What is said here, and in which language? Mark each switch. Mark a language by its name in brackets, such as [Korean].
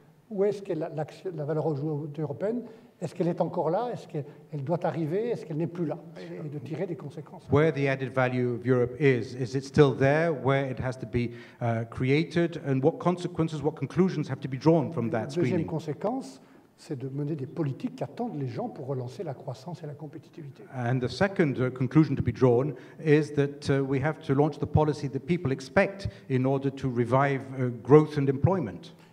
[French] Où est-ce que la valeur ajoutée européenne? Est-ce qu'elle est encore là? Est-ce qu'elle doit arriver? Est-ce qu'elle n'est plus là? Et de tirer des conséquences. [English] Where the added value of Europe is it still there? Where it has to be created? And what consequences, what conclusions have to be drawn from that screening? [French] Deuxième conséquence, c'est de mener des politiques qui attendent les gens pour relancer la croissance et la compétitivité. [English] And the second conclusion to be drawn is that we have to launch the policy that people expect in order to revive growth and employment.